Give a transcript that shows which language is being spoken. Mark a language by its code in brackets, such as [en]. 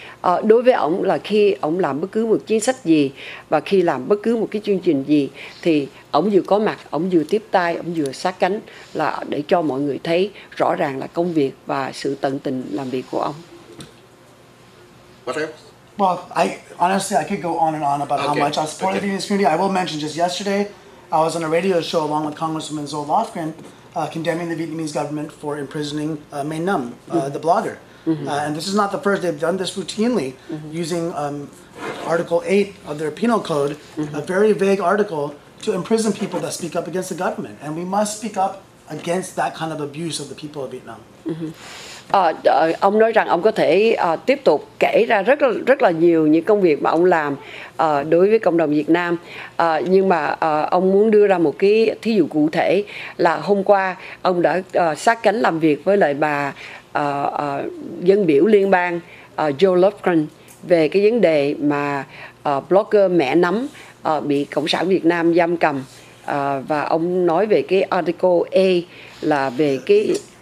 [vi] Đối với ông là khi ông làm bất cứ một chính sách gì và khi làm bất cứ một cái chương trình gì thì ông vừa có mặt, ông vừa tiếp tay, ông vừa sát cánh, là để cho mọi người thấy rõ ràng là công việc và sự tận tình làm việc của ông. [en] What else? Well, I honestly could go on and on about how much I support the Vietnamese community. I will mention just yesterday I was on a radio show along with Congresswoman Zoe Lofgren condemning the Vietnamese government for imprisoning Mae Nhâm, mm-hmm. the blogger. Mm-hmm. And this is not the first they've done this routinely, mm-hmm. using Article 8 of their penal code, mm-hmm. a very vague article, to imprison people that speak up against the government. And we must speak up against that kind of abuse of the people of Vietnam. Mm-hmm. [vi] Ông nói rằng ông có thể tiếp tục kể ra rất là nhiều những công việc mà ông làm đối với cộng đồng Việt Nam, nhưng mà ông muốn đưa ra một cái thí dụ cụ thể là hôm qua ông đã sát cánh làm việc với lại bà dân biểu liên bang Joe Lofgren về cái vấn đề mà blogger Mẹ Nấm bị Cộng sản Việt Nam giam cầm, và ông nói về cái Article A là về cái